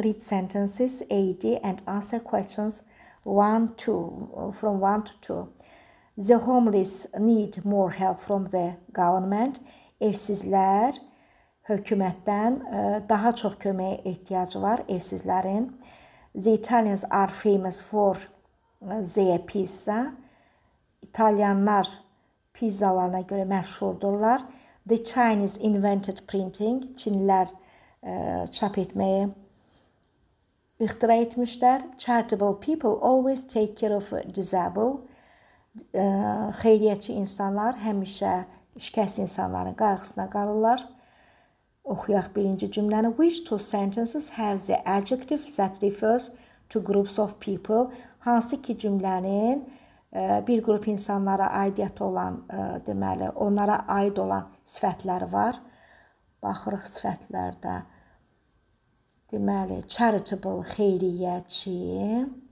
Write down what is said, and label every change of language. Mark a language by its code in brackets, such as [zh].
[en] Read sentences A, D and answer questions 1, 2, from 1 to 2. The homeless need more help from the government. [az] Evsizlər hökumətdən daha çox köməyə ehtiyacı var evsizlərin. [en] The Italians are famous for their pizza. [az] İtalyanlar pizzalarına görə məşhurdurlar. [en] The Chinese invented printing. [az] Çinlilər çap etməyi ixtira etmişlər. [en] Charitable people always take care of disabled. [az] Xeyriyyətçi insanlar həmişə şikəst insanların qayğısına qalırlar. Oxuyaq birinci cümləni. [en] Which two sentences have the adjective that refers to groups of people? [az] Hansı ki cümlənin bir qrup insanlara aidiyyət olan, deməli, onlara aid olan sifətləri var? Baxırıq sifətlərdə. Deməli, charitable, xeyriyyəçi.